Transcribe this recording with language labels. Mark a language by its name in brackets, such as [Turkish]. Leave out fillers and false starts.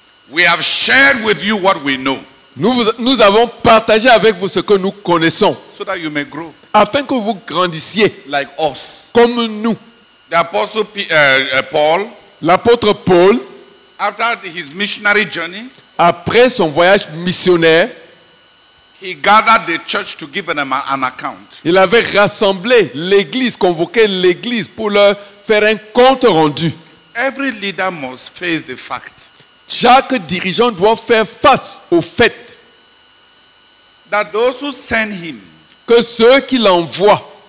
[English] We have shared with you what we know, [French] nous avons partagé avec vous ce que nous connaissons, [English] so that you may grow, [French] afin que vous grandissiez, [English] like us, [French] comme nous. [English] The apostle Paul, [French] l'apôtre Paul, [English] after his missionary journey, [French] après son voyage missionnaire, [English] he gathered the church to give them an account. [French] Il avait rassemblé l'église, convoqué l'église pour leur faire un compte rendu. [English] Every leader must face the fact. [French] Chaque dirigeant doit faire face au fait [English] that those who send him, [French] que ceux qui l'envoient,